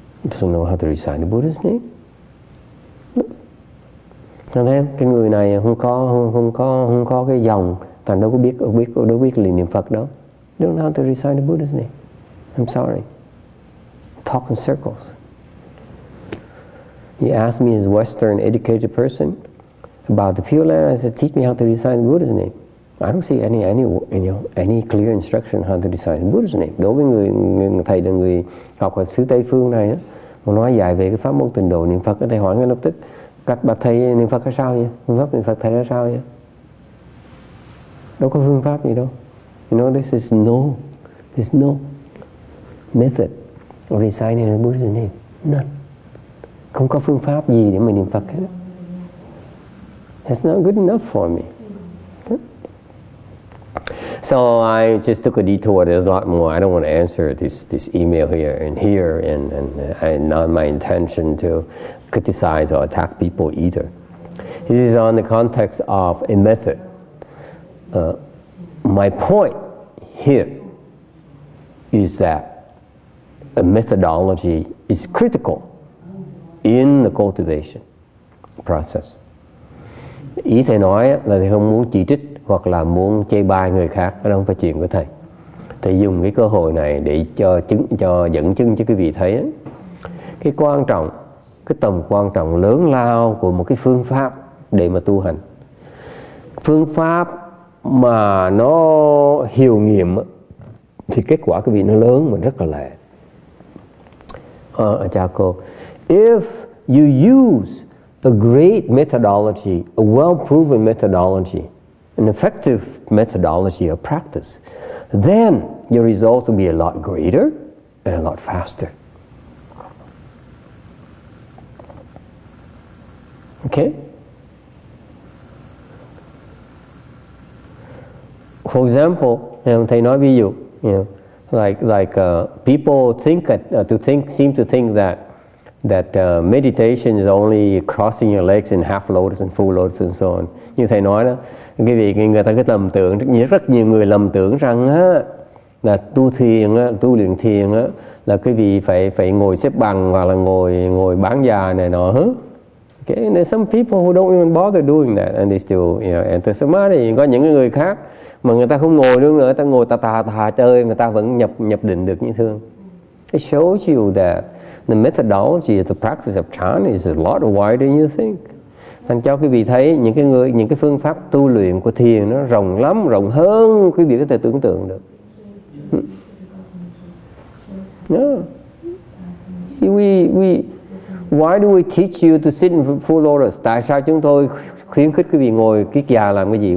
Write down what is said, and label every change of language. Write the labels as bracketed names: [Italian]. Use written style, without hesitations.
[English] Doesn't know how to recite the Buddha's name. [Vietnamese] Cho nên cái người này không có cái dòng, thành đâu có biết lời niệm Phật đâu. [English] Don't know how to recite the Buddha's name. I'm sorry. Talk in circles. He asked me, as a Western educated person, about the Pure Land. I said, teach me how to recite the Buddha's name. I don't see any clear instruction how to recite the Buddha's name. [Vietnamese] Đối với người thầy là người học ở xứ Tây Phương này á, mà nói dài về cái pháp môn tịnh độ niệm Phật, thầy hỏi ngay lập tức, các bậc thầy niệm Phật ra sao vậy? Phương pháp niệm Phật thầy ra sao vậy? Đâu có phương pháp gì đâu. [English] You know, there's no method of reciting the Buddha's name. None. [Vietnamese] Không có phương pháp gì để mà niệm Phật hết. [English] That's not good enough for me. So I just took a detour. There's a lot more. I don't want to answer this email here and not my intention to criticize or attack people either. This is on the context of a method. My point here is that a methodology is critical in the cultivation process. [Vietnamese] Ý thầy nói là thầy không muốn chỉ trích hoặc là muốn chê bai người khác, đó không phải chuyện của thầy. Thầy dùng cái cơ hội này để dẫn chứng cho quý vị thấy ấy. Cái quan trọng, cái tầm quan trọng lớn lao của một cái phương pháp để mà tu hành. Phương pháp mà nó hiệu nghiệm thì kết quả quý vị nó lớn mà rất là lệ. Chào cô. [English] If you use a great methodology, a well-proven methodology, an effective methodology of practice, then your results will be a lot greater and a lot faster. Okay? For example, may not be you, you know, people seem to think that meditation is only crossing your legs in half lotus and full lotus and so on. [Vietnamese] Như thầy nói đó, cái việc người ta cứ lầm tưởng, rất nhiều người lầm tưởng rằng á là tu thiền á, tu luyện thiền á là cái vị phải ngồi xếp bằng hoặc là ngồi bán già này nọ hứ. [English] Okay, and there's some people who don't even bother doing that and they still, you know, enter samadhi. [Vietnamese] Có những người khác mà người ta không ngồi nữa, người ta ngồi tà chơi, người ta vẫn nhập định được như thường. [English] It shows you that the methodology of the practice of chan is a lot wider than you think. [Vietnamese] Thành cho quý vị thấy những cái phương pháp tu luyện của thiền nó rộng lắm, rộng hơn quý vị có thể tưởng tượng được. [English] Yeah. Why do we teach you to sit in full lotus? [Vietnamese] Tại sao chúng tôi khuyến khích quý vị ngồi kiết già làm cái gì?